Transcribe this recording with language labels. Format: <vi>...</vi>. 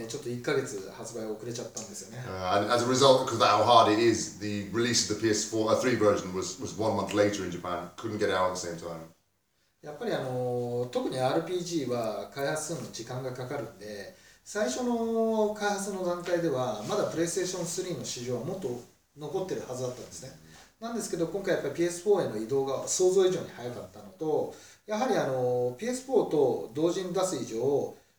<ja>結果日本はね、ちょっと1ヶ月発売遅れちゃったんですよね。</ja> <en>As a result, because of how hard it is, the release of the PS3 version was 1 month later in Japan. Couldn't get it out at the same time.</en> <ja>やっぱり特に RPGは開発するの時間がかかるんで、最初の開発の段階ではまだPlayStation3の市場はもっと残ってるはずだったんですね。なんですけど今回やっぱり PS4への移動が想像以上に早かったのと、やはり PS4と同時に出す以上、</ja>